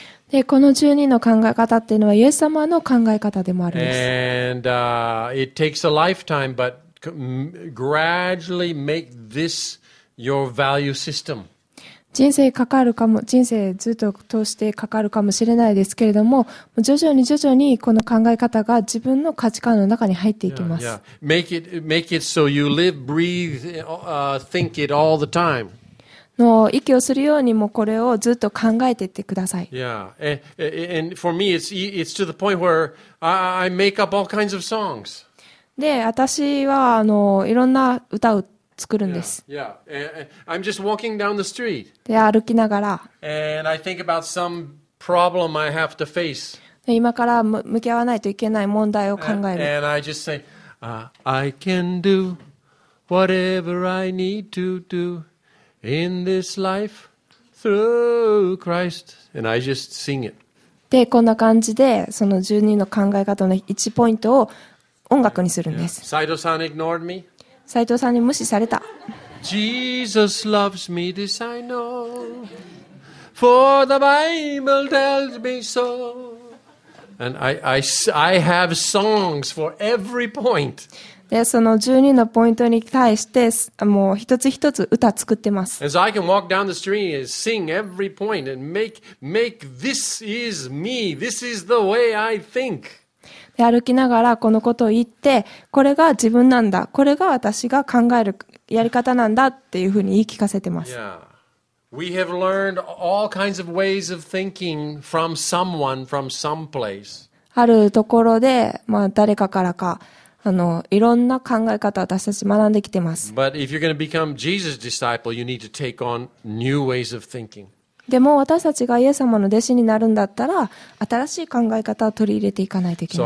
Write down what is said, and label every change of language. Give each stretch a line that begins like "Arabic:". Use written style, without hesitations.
Japanese: で、この12の考え方っていうのはイエス様の考え方でもあるんです。
English: And it takes a lifetime, but gradually make this your value system.
Japanese: 人生かかるかも、人生ずっと通してかかるかもしれないですけれども、徐々に徐々にこの考え方が自分の価値観の中に入っていきます。
English: Yeah, yeah. Make it so you live, breathe, think it all the time.
Japanese: の息をするようにもこれをずっと考えていってください。
English: Yeah, and for me, it's to the point where I make up all kinds of songs.
Japanese: で、私はいろんな歌を作るんです。
English: I'm just walking down the street.
Japanese: で、歩きながら。
English: And I think about some problem I have to face.
Japanese: 今から向き合わないといけない問題を考える。
English: And I just say, I can do whatever I need to do in this life through Christ. And I just sing it.
Japanese: で、こんな感じで、その12の考え方の1ポイントを音楽にするんです。
English: 斉藤さん ignored me.
Japanese: 斉藤さんに無視された。
English: Jesus loves me, this I know. For the Bible tells me so. And I have songs for every point.
Japanese: で、その12のポイントに対して、もう一つ一つ歌作ってます。
English: As I can walk down the street and sing every point and make this is me. This is the way I think.
Japanese: 歩きながらこのことを言って、これが自分なんだ、これが私が考えるやり方なんだっていうふうに言い聞かせてます。
English: Yeah. We have learned all kinds of ways of thinking from someone, from someplace.
Japanese: あるところで、まあ誰かからか、いろんな考え方を私たち学んできてます。
English: But if you're going to become Jesus' disciple, you need to take on new ways of thinking.
Japanese: でも私たちがイエス様の弟子になるんだったら新しい考え方を取り入れていかないといけない。